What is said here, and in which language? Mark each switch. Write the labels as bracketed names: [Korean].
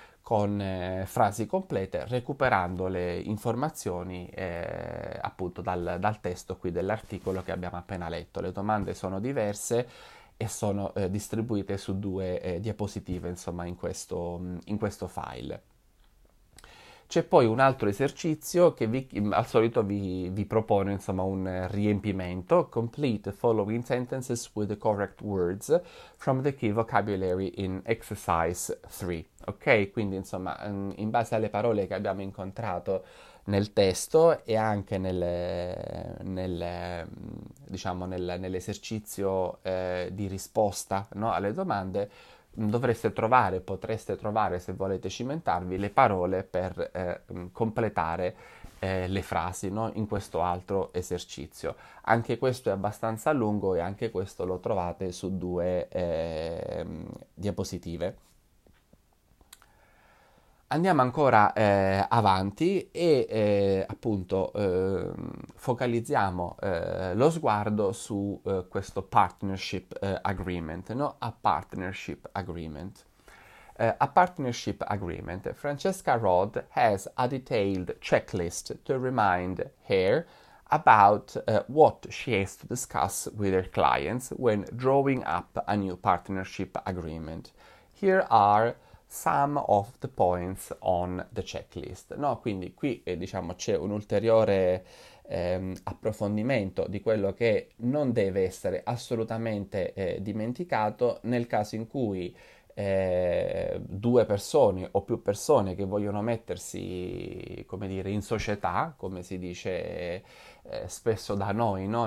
[Italian] Con frasi complete, recuperando le informazioni appunto dal testo qui dell'articolo che abbiamo appena letto. Le domande sono diverse e sono distribuite su due diapositive, insomma, in questo file. C'è poi un altro esercizio che al solito vi propone, insomma, un riempimento. [English] Complete the following sentences with the correct words from the key vocabulary in exercise 3. [Italian] Ok, quindi insomma, in base alle parole che abbiamo incontrato nel testo e anche nell'esercizio di risposta, no, alle domande, potreste trovare, se volete cimentarvi, le parole per completare le frasi, no, in questo altro esercizio. Anche questo è abbastanza lungo e anche questo lo trovate su due diapositive. Andiamo ancora avanti e appunto focalizziamo lo sguardo su questo partnership agreement, no? [English] A partnership agreement. A partnership agreement. Francesca Rod has a detailed checklist to remind her about what she has to discuss with her clients when drawing up a new partnership agreement. Here are some of the points on the checklist, no? [Italian] Quindi qui diciamo c'è un ulteriore approfondimento di quello che non deve essere assolutamente dimenticato nel caso in cui due persone o più persone che vogliono mettersi, come dire, in società, come si dice spesso da noi, no?